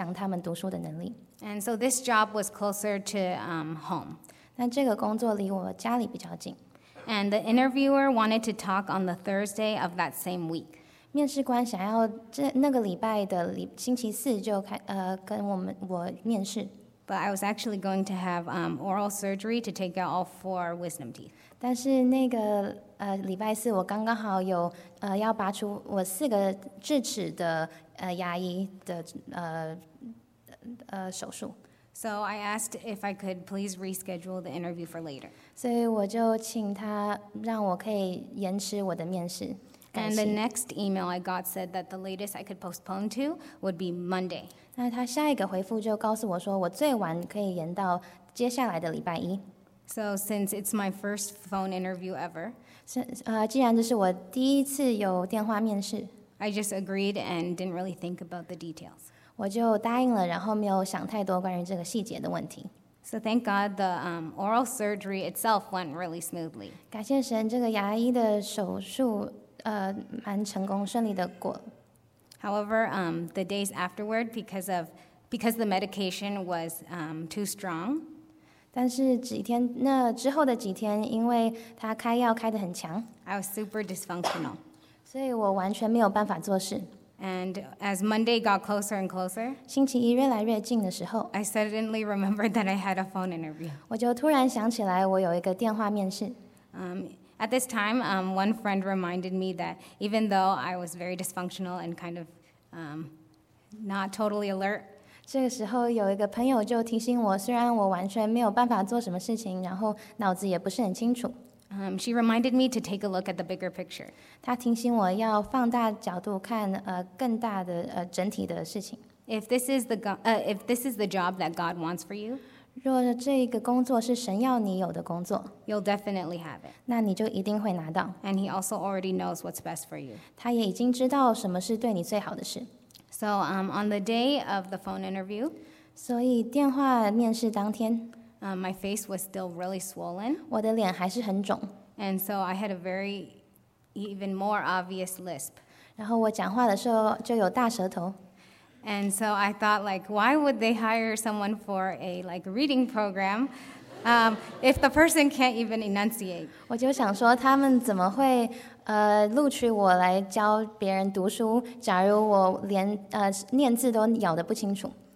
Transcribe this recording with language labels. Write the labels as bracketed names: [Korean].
[Chinese] 所以就是帮助一些小孩，他们读书能力比同年龄的小孩还慢，那就是帮他们增强他们读书的能力。 [English] And so this job was closer to home. [Chinese] 那这个工作离我家里比较近。 [English] And the interviewer wanted to talk on the Thursday of that same week. [Chinese] 面试官想要那个礼拜的星期四就跟我面试。 [English] But I was actually going to have oral surgery to take out all four wisdom teeth. [Chinese] 但是那个礼拜四我刚刚好有要拔出我四个智齿的牙医的手术。 [English] So I asked if I could please reschedule the interview for later. [Chinese] 所以我就请他让我可以延迟我的面试。 [English] And the next email I got said that the latest I could postpone to would be Monday. [Chinese] 那他下一个回复就告诉我说，我最晚可以延到接下来的礼拜一。 [English] So since it's my first phone interview ever, [Chinese] 既然这是我第一次有电话面试 [English] ，I just agreed and didn't really think about the details. [Chinese] 我就答应了，然后没有想太多关于这个细节的问题。 [English] So thank God the oral surgery itself went really smoothly. [Chinese] 感谢神，这个牙医的手术蛮成功，顺利的过。 [English] However, the days afterward, because the medication was too strong. [Chinese] 但是几天那之后的几天，因为他开药开得很强 [English] ，I was super dysfunctional. [Chinese] 所以我完全没有办法做事。 [English] And as Monday got closer and closer, [Chinese] 星期一越来越近的时候 [English] ，I suddenly remembered that I had a phone interview. [Chinese] 我就突然想起来，我有一个电话面试。 [English] At this time, one friend reminded me that even though I was very dysfunctional and kind of not totally alert, [Chinese] 这个时候有一个朋友就提醒我，虽然我完全没有办法做什么事情，然后脑子也不是很清楚。 [English] She reminded me to take a look at the bigger picture. [Chinese] 她提醒我要放大角度看更大的整体的事情。 [English] If this is the job that God wants for you, [Chinese] 若这个工作是神要你有的工作 [English] ，You'll definitely have it. [Chinese] 那你就一定会拿到。 [English] And he also already knows what's best for you. [Chinese] 他也已经知道什么是对你最好的事。 [English] So on the day of the phone interview, [Chinese] 所以电话面试当天 [English] ，my face was still really swollen. [Chinese] 我的脸还是很肿。 [English] And so I had a very even more obvious lisp. [Chinese] 然后我讲话的时候就有大舌头。 [English] And so I thought, like, why would they hire someone for a like reading program, if the person can't even enunciate? [Chinese] 我就想说，他们怎么会录取我来教别人读书？假如我连念字都咬得不清楚。